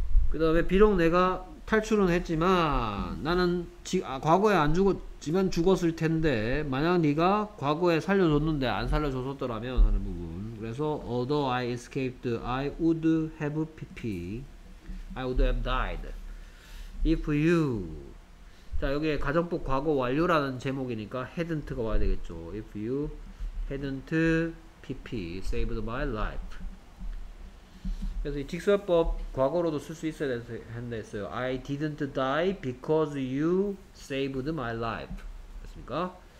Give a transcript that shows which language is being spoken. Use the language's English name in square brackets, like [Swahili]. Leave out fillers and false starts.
[Korean] 그 다음에 비록 내가 탈출은 했지만 나는 과거에 안 죽었지만 죽었을 텐데 만약 네가 과거에 살려줬는데 안 살려줬었더라면 하는 부분. [English] 그래서 although I escaped, I would have pp, I would have died if you. [Korean] 자 여기에 가정법 과거 완료라는 제목이니까 hadn't가 와야 되겠죠. [English] If you hadn't pp saved my life. [Korean] 그래서 이 직설법 과거로도 쓸 수 있어야 했는데 [English] I didn't die because you saved my life. [Korean] 됐습니까?